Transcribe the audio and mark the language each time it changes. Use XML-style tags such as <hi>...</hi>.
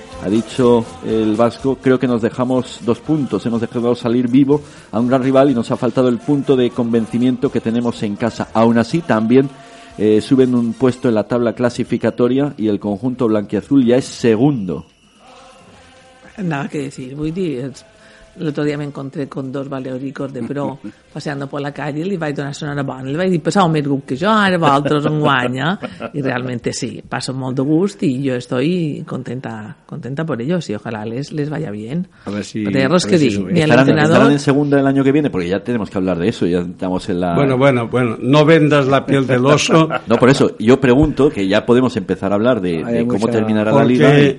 <es>Ha dicho el vasco, creo que nos dejamos dos puntos, hemos dejado salir vivo a un gran rival y nos ha faltado el punto de convencimiento que tenemos en casa. Aún así, también suben un puesto en la tabla clasificatoria y el conjunto blanquiazul ya es segundo. Nada que decir, muy bien. El otro día me encontré con dos baleóricos de pro paseando por la calle y</es> <ca>le vaig donar una bona. Le vaig dir, pesau més gust que jo, ara vosaltres em guanya. I realment sí, passo molt de gust i jo</ca> <es>estoy contenta por ellos y ojalá les vaya bien. Estarán en segunda el año que viene, porque ya tenemos que hablar de eso, ya estamos en la... Bueno, no vendas la piel del oso. No, por eso, yo pregunto, que ya podemos empezar a hablar de cómo terminará la liga.</es>